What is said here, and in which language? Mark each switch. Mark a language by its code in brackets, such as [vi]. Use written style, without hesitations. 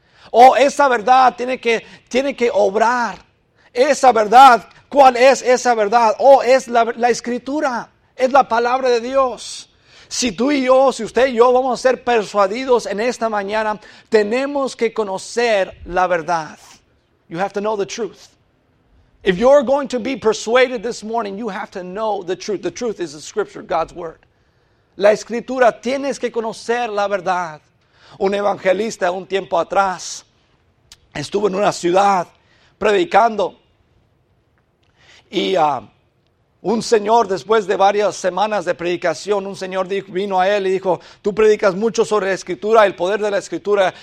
[es] O esa verdad tiene que obrar. Esa verdad, ¿cuál es esa verdad? O es la escritura, es la palabra de Dios. Si tú y yo, si usted y yo vamos a ser persuadidos en esta mañana, tenemos que conocer la verdad. [en] You have to know the truth. If you're going to be persuaded this morning, you have to know the truth. The truth is the scripture, God's word. [es] La escritura, tienes que conocer la verdad. Un evangelista un tiempo atrás estuvo en una ciudad predicando. Y un señor, después de varias semanas de predicación, un señor vino a él y dijo, tú predicas mucho sobre la escritura, el poder de la escritura.